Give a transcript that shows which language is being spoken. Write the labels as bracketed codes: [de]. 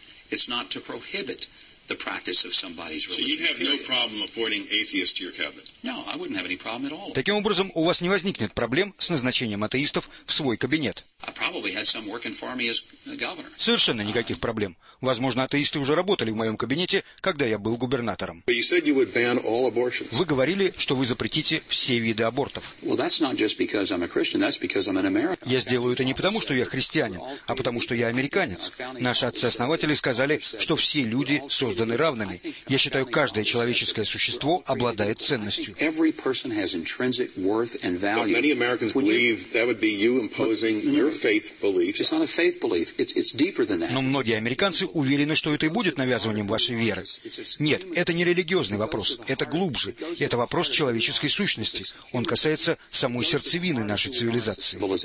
[en] It's not to prohibit the practice of somebody's religion. So you have no problem appointing atheists to your cabinet? No, I wouldn't have any problem at all. [ru] Таким образом, у вас не возникнет проблем с назначением атеистов в свой кабинет. [en] I probably had some working for me as governor. [ru] Совершенно никаких проблем. Возможно, атеисты уже работали в моем кабинете, когда я был губернатором. [en] But you said you would ban all abortions. [ru] Вы говорили, что вы запретите все виды абортов. [en] Well, that's not just because I'm a Christian, that's because I'm an American. [ru] Я сделаю это не потому, что я христианин, а потому, что я американец. Наши отцы-основатели сказали, что все люди созданы равными. Я считаю, каждое человеческое существо обладает ценностью. [en] Every person has intrinsic worth and value. But many Americans believe that would be you imposing your faith beliefs. It's not a faith belief. It's deeper than that. [ru] Но многие американцы уверены, что это и будет навязыванием вашей веры. Нет, это не религиозный вопрос. Это глубже. Это вопрос человеческой сущности. Он касается самой сердцевины нашей цивилизации.